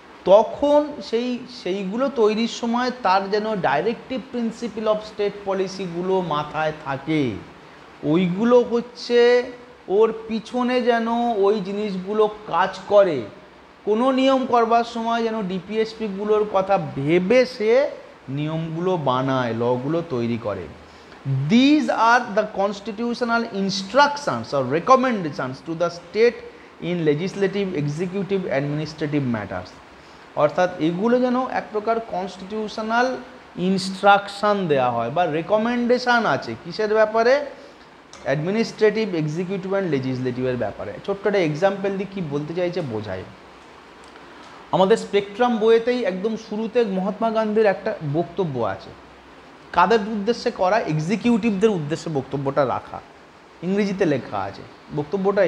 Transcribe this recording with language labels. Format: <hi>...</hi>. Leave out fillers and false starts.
<bn>তখন সেইগুলো তৈরির সময় তার যেন ডাইরেক্টিভ প্রিন্সিপাল অফ স্টেট পলিসিগুলো মাথায় থাকে ওইগুলো হচ্ছে ওর পিছনে যেন ওই জিনিসগুলো কাজ করে কোনো নিয়ম করবার সময় যেন ডিপিএসপিগুলোর কথা ভেবে সে নিয়মগুলো বানায় লগুলো তৈরি করে</bn> <en>These are the constitutional instructions or recommendations to the state in legislative, executive, administrative matters.</en> <bn>অর্থাৎ এগুলো যেন এক প্রকার কনস্টিটিউশনাল ইনস্ট্রাকশান দেওয়া হয় বা রেকমেন্ডেশান আছে কিসের ব্যাপারে, অ্যাডমিনিস্ট্রেটিভ, এক্সিকিউটিভ অ্যান্ড লেজিসলেটিভের ব্যাপারে। ছোট্ট একটা এক্সাম্পল দিয়ে কী বলতে চাইছে বোঝায়, আমাদের স্পেকট্রাম বইয়েতেই একদম শুরুতে মহাত্মা গান্ধীর একটা বক্তব্য আছে, কাদের উদ্দেশ্যে করা, এক্সিকিউটিভদের উদ্দেশ্যে বক্তব্যটা রাখা, ইংরেজিতে লেখা আছে বক্তব্যটা।</bn>